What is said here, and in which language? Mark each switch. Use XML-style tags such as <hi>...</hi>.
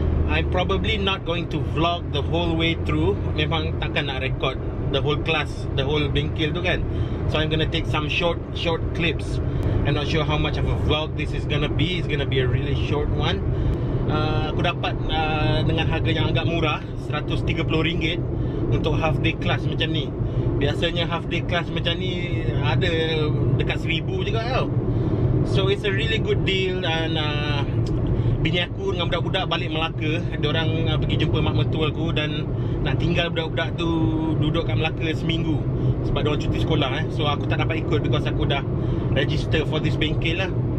<en>I'm probably not going to vlog the whole way through.</en> <ms>Memang takkan nak</ms> <en>record the whole class, the whole Bengkel tu kan. So I'm gonna take some short clips. I'm not sure how much of a vlog this is gonna be. It's gonna be a really short one.</en> <ms>Aku dapat dengan harga yang agak murah, RM130 untuk</ms> <en>half day class</en> <ms>macam ni. Biasanya</ms> <en>half day class</en> <ms>macam ni ada dekat RM1,000 juga tau.</ms> <en>So it's a really good deal.</en> <ms>And bini aku dengan budak-budak balik Melaka. Diorang pergi jumpa mak mertua aku dan nak tinggal budak-budak tu duduk kat Melaka seminggu sebab diorang cuti sekolah eh. So aku tak dapat ikut because aku dah</ms> <en>register for this</en> <ms>Bengkel lah.</ms>